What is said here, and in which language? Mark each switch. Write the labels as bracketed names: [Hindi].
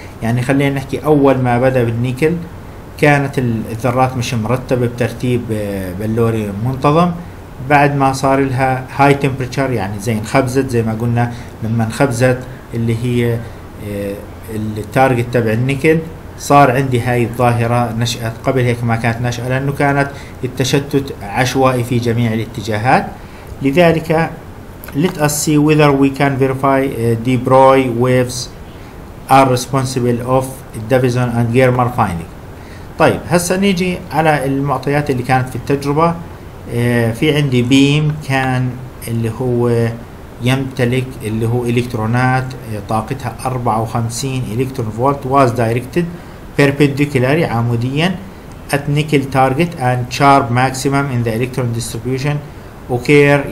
[Arabic] يعني خلينا نحكي أول ما بدأ بالنيكل كانت الذرات مش مرتبة بترتيب بلوري منتظم، بعد ما صار لها هاي تمبرتشر يعني زي انخبزت، زي ما قلنا لما انخبزت اللي هي التارجت تبع النيكل، صار عندي هاي الظاهرة نشأت. قبل هيك ما كانت نشأة لأنه كانت التشتت عشوائي في جميع الاتجاهات. [English] لذلك let us see whether we can verify De Broglie waves are responsible of Davison and Germer finding. [Arabic] طيب هسا نيجي على المعطيات اللي كانت في التجربة. في عندي بيم كان اللي هو يمتلك اللي هو الكترونات طاقتها 54 الكترون فولت، [English] was directed perpendicularly [Arabic] عموديا [English] at nickel target and sharp maximum in the electron distribution occur.